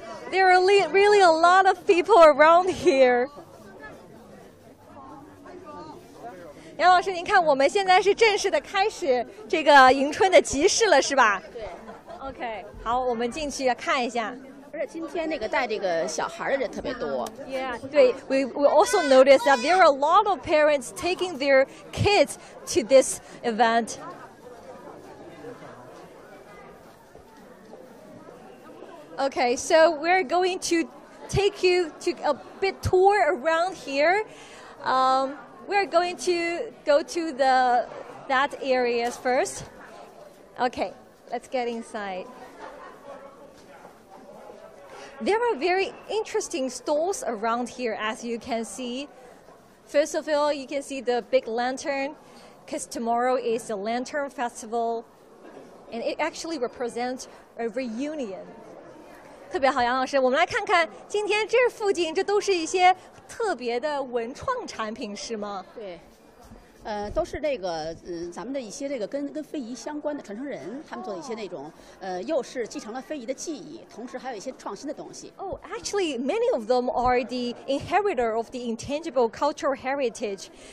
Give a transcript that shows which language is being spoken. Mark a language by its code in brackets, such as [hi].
[en] There are really a lot of people around here. [zh] 杨老师，您看，我们现在是正式的开始这个迎春的集市了，是吧？对。 Okay, 好，我们进去看一下。而且今天那个带这个小孩的人特别多。 [en] Yeah, 对 we also noticed that there are a lot of parents taking their kids to this event. Okay, so we're going to take you to a bit tour around here. We're going to go to that area first. Okay, let's get inside. There are very interesting stalls around here, as you can see. First of all, you can see the big lantern, because tomorrow is the Lantern Festival, and it actually represents a reunion. [zh] 特别好，杨老师，我们来看看今天这附近，这都是一些特别的文创产品，是吗？对，都是那个，咱们的一些这个跟非遗相关的传承人，他们做一些那种，又是继承了非遗的技艺，同时还有一些创新的东西。 [en] Oh, actually, many of them are the inheritor of the intangible cultural heritage.